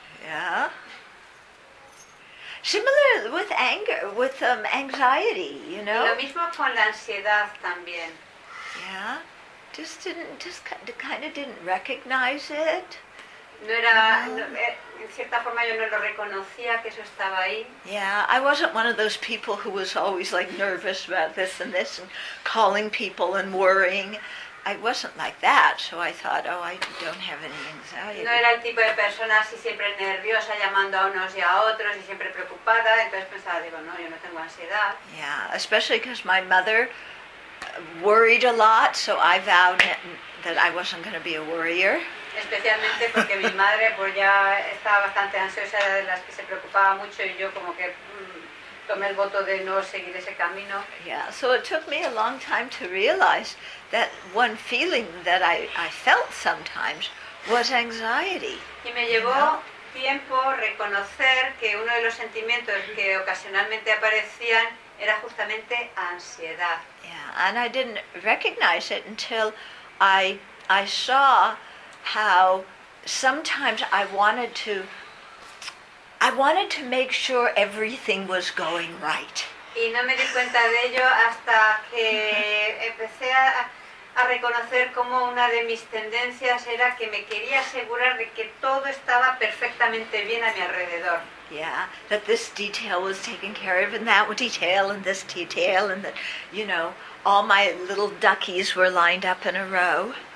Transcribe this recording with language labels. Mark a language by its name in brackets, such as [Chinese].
[English] Yeah. Similar with anger, with anxiety, you know. [Spanish] Y lo mismo con la ansiedad también. [English] Yeah, just kind of didn't recognize it. [Spanish] No era, no, en cierta forma yo no lo reconocía que eso estaba ahí. [English] Yeah, I wasn't one of those people who was always like nervous about this and calling people and worrying. I wasn't like that, so I thought, oh, I don't have any anxiety. [Spanish] No era el tipo de persona así siempre nerviosa llamando a unos y a otros y siempre preocupada, entonces pensaba, digo, no, yo no tengo ansiedad. [English] Yeah, especially because my mother worried a lot, so I vowed that I wasn't going to be a worrier. [Spanish] especialmente porque mi madre pues ya estaba bastante ansiosa, era de las que se preocupaba mucho, y yo como que tomé el voto de no seguir ese camino. [English] Yeah, so it took me a long time to realize that one feeling that I felt sometimes was anxiety. [Spanish] Y me llevó tiempo reconocer que uno de los sentimientos que ocasionalmente aparecían era justamente ansiedad. [English] Yeah, and I didn't recognize it until I saw how sometimes I wanted to make sure everything was going right. [Spanish] Y no me di cuenta de ello hasta que empecé a reconocer cómo una de mis tendencias era que me quería asegurar de que todo estaba perfectamente bien a mi alrededor. [English] Yeah, that this detail was taken care of, and that detail, and this detail, and that, you know, all my little duckies were lined up in a row.